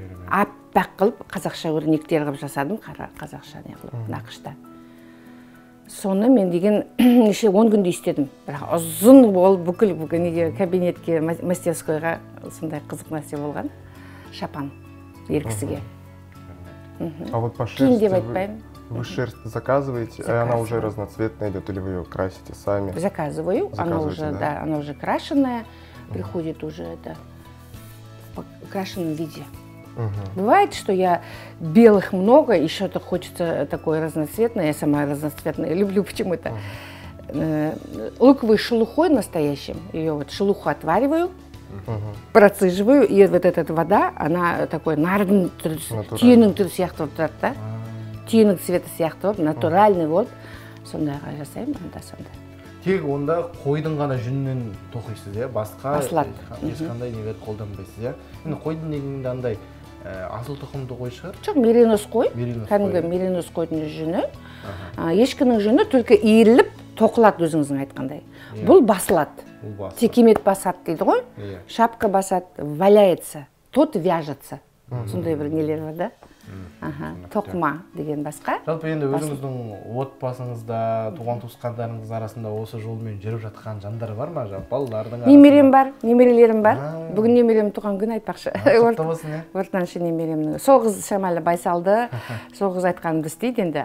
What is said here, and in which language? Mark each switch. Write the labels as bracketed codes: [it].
[kk] Аппақ қылып, қазақша өрнектер қып жасадым, қазақша не қылып, нақышта. Соны мен деген неше 10 күнде істедім. Бірақ ұзын болып бүкіл неге кабинетке мастерскойға сондай қызық нәрсе болған шапан еркісіге. [ru] А вот по шерсти вы шерсть заказываете, и она уже разноцветная идет, или вы ее красите сами? Заказываю, она уже, да? Да, она уже крашеная, приходит уже это в крашеном виде. Бывает, что я белых много, еще то хочется такое разноцветное, я сама разноцветное люблю почему-то. Луковой шелухой настоящим, ее вот шелуху отвариваю, процеживаю, и вот эта вода, она такой тинг цвета сияқты, натуральный вот. [kk] Сондайға жасаймын, анда сонда. Тек онда қойдың ғана жүнінен тоқисыз, иә? Басқа ешқандай неге қолданбайсыз, иә? Енді қойдың негізінде андай асыл тұқымды қой шығар? Жоқ, меринос қой. Кәдімгі меринос қойдың жүні. Ешкінің жүні только иіріліп тоқылады өзіңіздің айтқандай. Бұл басылады. Текемет басады дейді ғой. Шапка басады, [ru] валяется, тот вяжется. [kk] Сондай бір нелер бар, да? Тоқма деген басқа. Жалпы енді өзіңіздің отбасыңызда, туған туысқандарыңыз арасында осы жолмен жүріп жатқан жандар бар ма? Жалпы балалардың арасында? Немерем бар, немерелерім бар. Бүгін немерем туған күн, айтпақшы. Құтты болсын, иә. Ортаншы немеремнің. Сол қыз шамалы байсалды, сол қыз айтқанымды істейді енді.